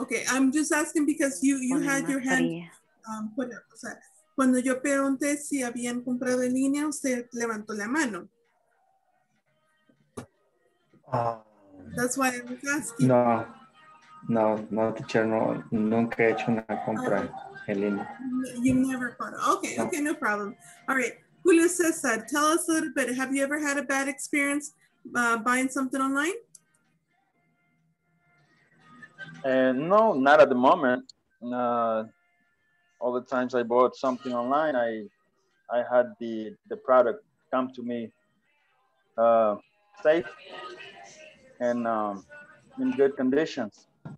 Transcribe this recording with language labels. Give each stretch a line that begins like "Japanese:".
English: I'm just asking because you had your hand put up.
Spanish: Cuando yo pregunté si habían comprado en línea, usted levantó la mano.
English: That's why I was asking.
Spanish: No, teacher, no, nunca he hecho una compra en línea.
English: You never bought. Okay, no problem. All right, Julio César, tell us a little bit. Have you ever had a bad experience buying something online? No, not at the moment. All the times I bought something online, I had the product come to me safe and in good conditions.